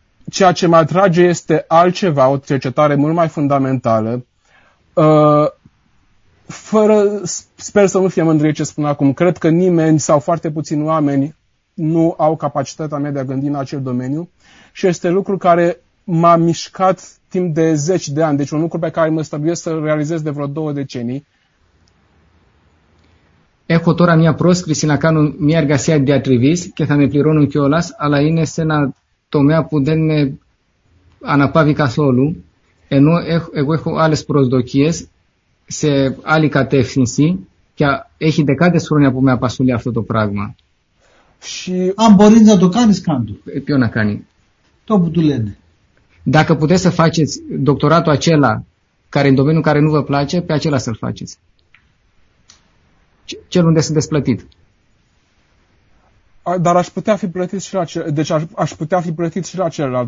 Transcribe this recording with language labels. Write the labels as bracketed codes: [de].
[ro] Ceea ce mă atrage este altceva, o cercetare mult mai fundamentală, fără, sper să nu fie mândrie ce spun acum, cred că nimeni sau foarte puțini oameni nu au capacitatea mea de a gândi în acel domeniu și este lucru care m-a mișcat timp de 10 de ani, deci un lucru pe care mă stăbuiesc să-l realizez de vreo 2 decenii. [el] Έχω τώρα μια πρόσκληση να κάνω μια εργασία διατριβής και θα με πληρώνουν κιόλας, αλλά είναι σε ένα τομέα που δεν με αναπαύει καθόλου, ενώ εγώ έχω άλλες προσδοκίες σε άλλη κατεύθυνση και έχει δεκάδες χρόνια που με απασχολεί αυτό το πράγμα. Αν μπορεί να το κάνεις, κάντο. Ποιο να κάνει. Το που του λένε. [ro] Dacă puteți să faceți doctoratul acela care în domeniul care nu vă place, pe acela să-l faceți. Cel unde sunteți plătit. Dar aș putea fi plătit și la celălalt. Deci aș putea fi plătit și la celălalt.